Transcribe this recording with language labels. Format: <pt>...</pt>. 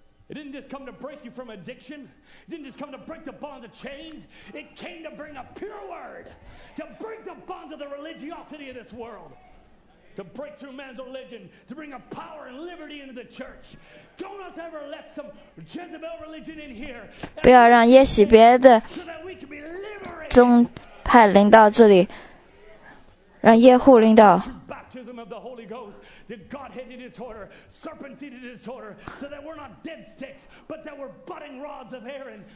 <en>It didn't just come to break you from addiction. It didn't just come to break the bonds of chains. It came to bring a pure word, to break the bonds of the religiosity of this world, to break through man's religion, to bring a power and liberty into the church. Don't us ever let some Jezebel religion in here.</en> <zh>不要让耶洗别的宗派临到这里，让耶户临到。</zh> <en>Baptism of the Holy Ghost. That God had in its order, serpent seed in its order, so that we're not dead sticks, but that we're budding rods of Aaron.</en>